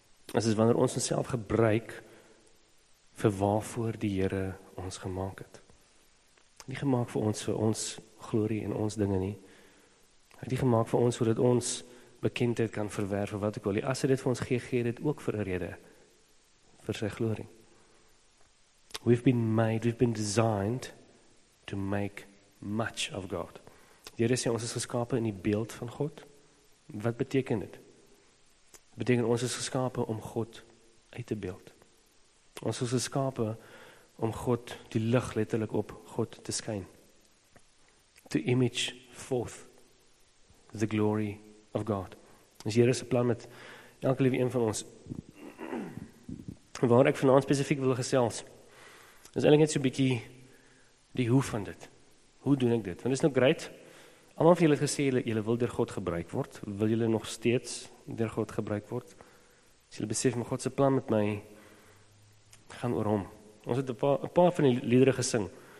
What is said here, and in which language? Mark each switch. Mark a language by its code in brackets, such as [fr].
[af] Dit is wanneer ons onsself gebruik vir waarvoor die Here ons gemaak het. Nie gemaak vir ons glorie en ons dinge nie. Hy het die gemaak vir ons sodat ons bekendheid kan verwerf wat ek wil. As hy dit vir ons gee dit ook vir 'n rede. Vir sy glorie. [en] We've been made, we've been designed to make much of God. [af] Die Here sê ons is geskape in die beeld van God. Wat beteken dit? Dit beteken ons is geskape om God uit te beeld. Ons is geskape om God, die lig letterlik op God te skyn. [en] To image forth the glory of God. [af] Dis Here se plan met elke liewe een van ons. Waar ek vanaand spesifiek wil gesels, is eintlik net so 'n bietjie die hoe van dit. Hoe doen ek dit? Want dis nou great. Almal van julle het gesê julle wil deur God gebruik word. Wil julle nog steeds deur God gebruik word? As julle besef my God se plan met my gaan oor hom. Ons het een paar van die liedere gesing.